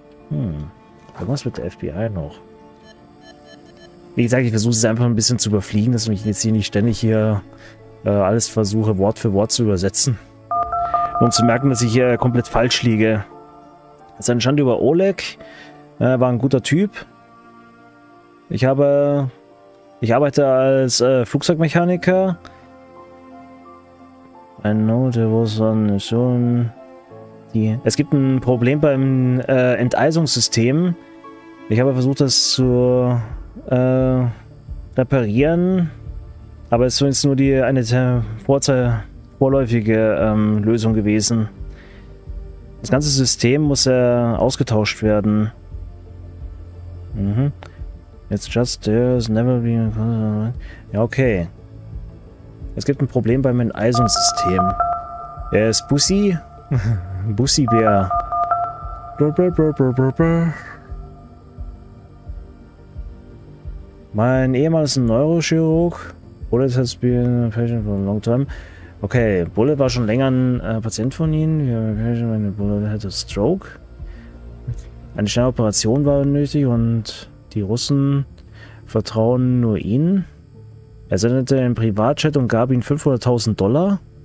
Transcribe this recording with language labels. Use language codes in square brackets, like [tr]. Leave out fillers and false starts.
[de] Irgendwas mit der FBI noch. Wie gesagt, ich versuche es einfach ein bisschen zu überfliegen, dass ich jetzt hier nicht ständig hier alles versuche, Wort für Wort zu übersetzen. Um zu merken, dass ich hier komplett falsch liege. Es ist ein Schande über Oleg. Er war ein guter Typ. Ich arbeite als Flugzeugmechaniker. [en] I know there was an issue. [de] Es gibt ein Problem beim Enteisungssystem. Ich habe versucht, das zu reparieren. Aber es ist zumindest nur die eine vorläufige Lösung gewesen. Das ganze System muss ja ausgetauscht werden. [en] It's just there's never been. [de] Ja, okay. Es gibt ein Problem beim Enteisungssystem. Er ist Bussi. Bussi-Bär. Mein Ehemann ist ein Neurochirurg. [en] Bullet has been a patient for a long time. [de] Okay, Bullet war schon länger ein Patient von ihnen. Wir haben eine Patient, wenn Bullet hat einen Stroke. Eine schnelle Operation war nötig und die Russen vertrauen nur ihnen. Er sendete einen Privatchat und gab ihnen $500,000.